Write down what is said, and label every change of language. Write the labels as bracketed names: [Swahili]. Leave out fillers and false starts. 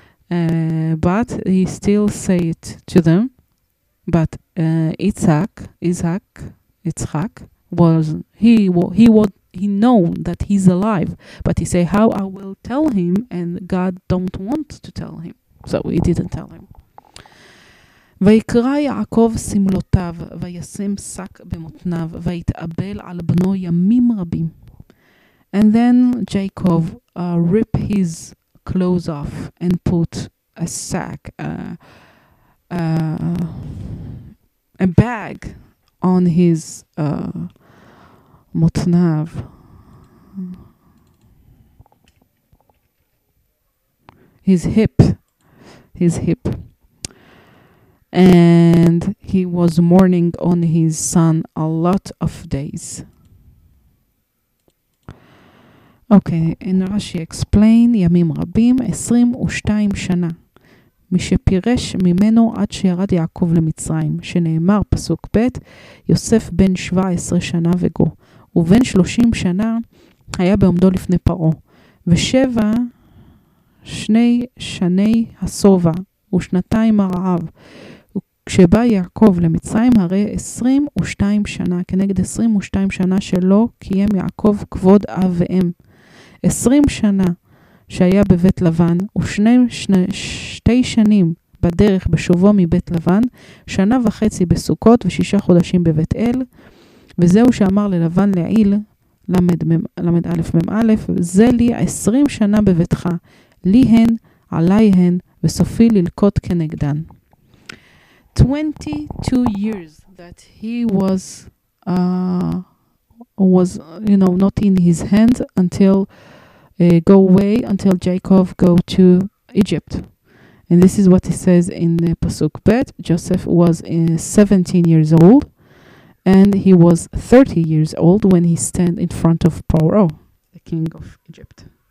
[English] But he still say it to them. But Isaac he know that he's alive. But he say, how I will tell him, and God don't want to tell him. So he didn't tell him. [Hebrew] ויקרא יעקב סמלותיו, וישם שק במותניו, ויתאבל על בנו ימים רבים. [English] And then Jacob rip his clothes off and put a sack, a bag on his motnav. His hip. And he was mourning on his son a lot of days. Okay, in Rashi explain, [Hebrew] ימים רבים, [English] 22 שנה. [Hebrew] מי שפירש ממנו עד שירד יעקב למצרים, שנאמר פסוק ב', יוסף בן 17 שנה וגו, ובן 30 שנה היה בעומדו לפני פרעה, ושבע שני שני הסובע, ושנתיים הרעב. וכשבא יעקב למצרים, הרי 22 שנה, כנגד 22 שנה שלא קיים יעקב כבוד אב ואם. 20 שנה שהיה בבית לבן, ושתי שנים בדרך בשובו מבית לבן, שנה וחצי בסוכות ושישה חודשים בבית אל, וזהו שאמר ללבן לעיל, למד א' מ' א', זה לי 20 שנה בביתך, לי הן, עליי הן, וסופי ללקוט כנגדן. [English] 22 years that he was was, you know, not in his hand until go away, until Jacob go to Egypt. And this is what he says in the Pasuk Bet. Joseph was 17 years old, and he was 30 years old when he stand in front of Paro, the king of Egypt.